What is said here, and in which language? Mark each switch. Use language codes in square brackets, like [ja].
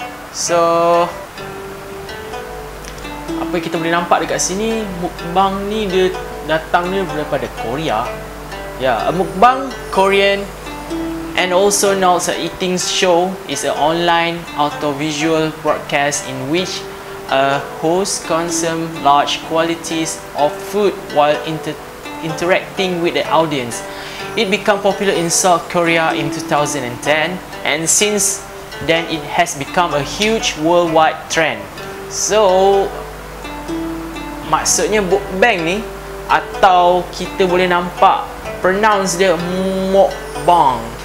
[ms] So, apa yang kita boleh nampak dekat sini, mukbang ni dia datangnya daripada Korea. [en] Yeah, a mukbang, Korean, and also known as a eating show, is an online audiovisual broadcast in which a host consume large quantities of food while interacting with the audience. It became popular in South Korea in 2010, and since then it has become a huge worldwide trend. [ms] So, maksudnya mukbang ni, atau kita boleh nampak pronounce dia mukbang.